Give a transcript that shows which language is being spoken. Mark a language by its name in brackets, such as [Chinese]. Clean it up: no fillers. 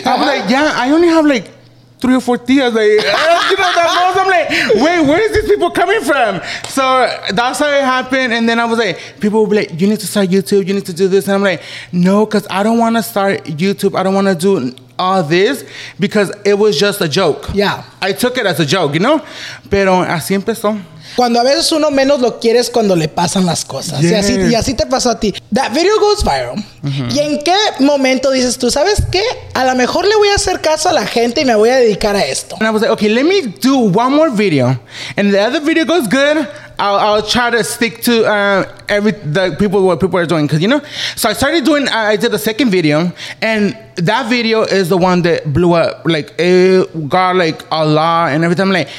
[English] I'm like, yeah, I only have like 3 or 4 tías. Like, you know, that was, I'm like, wait, where is these people coming from? So that's how it happened. And then I was like, people will be like, you need to start YouTube. You need to do this. And I'm like, no, because I don't want to start YouTube. I don't want to do all this because it was just a joke. Yeah. I took it as a joke, you know? [Spanish] Pero así empezó. Cuando a veces uno menos lo quiere es cuando le pasan las cosas. Yes. Y así te pasó a ti. [English] That video goes viral. [Spanish] Uh-huh. ¿Y en qué momento dices tú, sabes qué? A lo mejor le voy a hacer caso a la gente y me voy a dedicar a esto. [English] And I was like, okay, let me do one more video. And the other video goes good. I'll try to stick to what people are doing, because, you know, so I started doing, I did the second video, and that video is the one that blew up, like, it got, like, a lot, and everything.